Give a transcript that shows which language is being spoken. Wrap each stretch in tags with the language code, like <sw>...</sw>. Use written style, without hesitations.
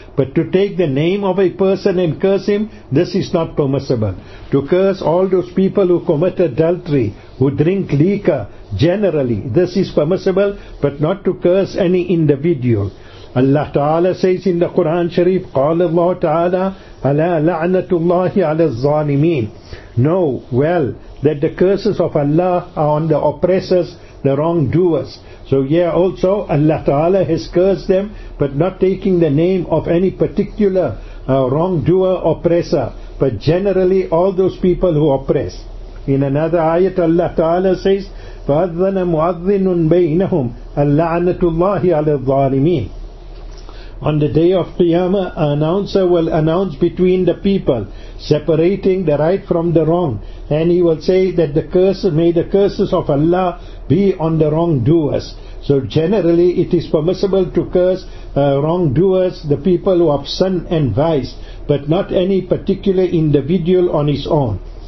<en>But to take the name of a person and curse him, this is not permissible. To curse all those people who commit adultery, who drink liquor, generally, this is permissible, but not to curse any individual. Allah Ta'ala says in the Quran Sharif,</en> <ar>قال الله تعالى على لعنة الله على الظالمين.</ar> <en>Know well that the curses of Allah are on the oppressors, the wrongdoers. So yeah, also Allah Ta'ala has cursed them, but not taking the name of any particular wrongdoer, oppressor, but generally all those people who oppress. In another ayat, Allah Ta'ala says,</en> <ar>فَأَذَّنَ مُؤَذِّنٌ بَيْنَهُمْ أَلَّعَنَةُ اللَّهِ عَلَى الظَّالِمِينَ.</ar> <en>On the day of Qiyamah, an announcer will announce between the people, separating the right from the wrong. And he will say that the curses, may the curses of Allah be on the wrongdoers. So generally, it is permissible to curse wrongdoers, the people who have sin and vice, but not any particular individual on his own.</en>